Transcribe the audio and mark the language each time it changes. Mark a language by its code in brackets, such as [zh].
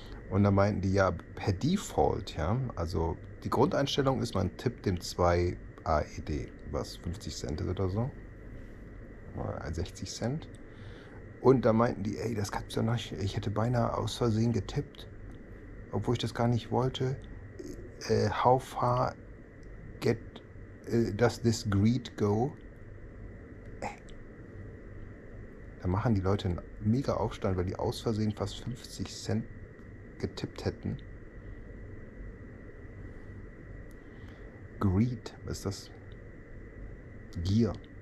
[de] Und da meinten die ja per Default, ja, also die Grundeinstellung ist, man tippt dem 2 AED, was 50 Cent ist oder so, 60 Cent. Und da meinten die, ey, das gab's ja noch, ich hätte beinahe aus Versehen getippt, obwohl ich das gar nicht wollte. [en] How far get does this greed go? [de] Da machen die Leute einen mega Aufstand, weil die aus Versehen fast 50 Cent getippt hätten. Greed, was ist das? Gier.